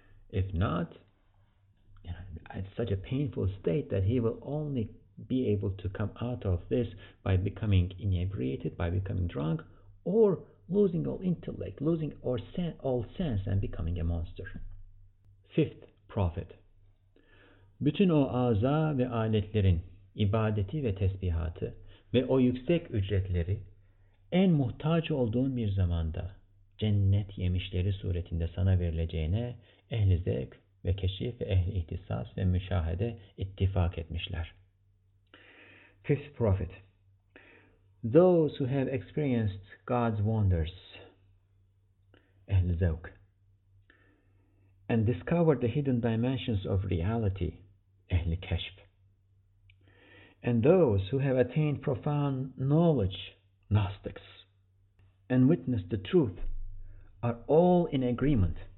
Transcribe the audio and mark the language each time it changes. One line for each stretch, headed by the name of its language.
English: If not, you know, it's such a painful state that he will only be able to come out of this by becoming inebriated, by becoming drunk, or losing all intellect, losing all sense, and becoming a monster. Fifth prophet.
Turkish: Bütün o aza ve aletlerin ibadeti ve tesbihatı ve o yüksek ücretleri en muhtaç olduğun bir zamanda cennet yemişleri suretinde sana verileceğine ehli zevk ve keşif ve ehli ihtisas ve müşahede ittifak etmişler.
English: Fifth prophet. Those who have experienced God's wonders, ehli zevk, and discovered the hidden dimensions of reality, ehli keşf, and those who have attained profound knowledge, gnostics, and witnessed the truth, are all in agreement.